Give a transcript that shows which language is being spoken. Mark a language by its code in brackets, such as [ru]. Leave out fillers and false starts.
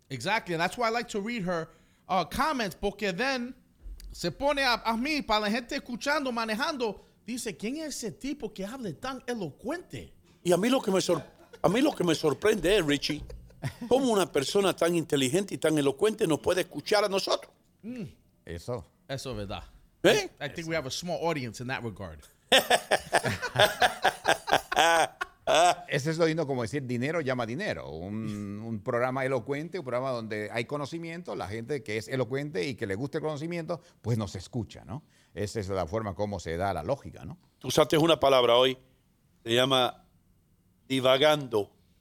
[en] Exactly. And that's why I like to read her comments, [es] porque then se pone a mí, para la gente escuchando, manejando, dice, ¿quién es ese tipo que habla tan elocuente? Y a mí lo que me sorprende es, Richie, cómo una persona tan inteligente y tan elocuente nos puede escuchar a nosotros. Mm. Eso. Eso es verdad. ¿Eh? [en] I think we have a small audience in that regard. [es] Eso es lo lindo, como decir, dinero llama dinero. Un programa elocuente, un programa donde hay conocimiento, la gente que es elocuente y que le gusta el conocimiento, pues nos escucha, ¿no? Esa es la forma como se da la lógica, ¿no? Tú usaste una palabra hoy, se llama divagando.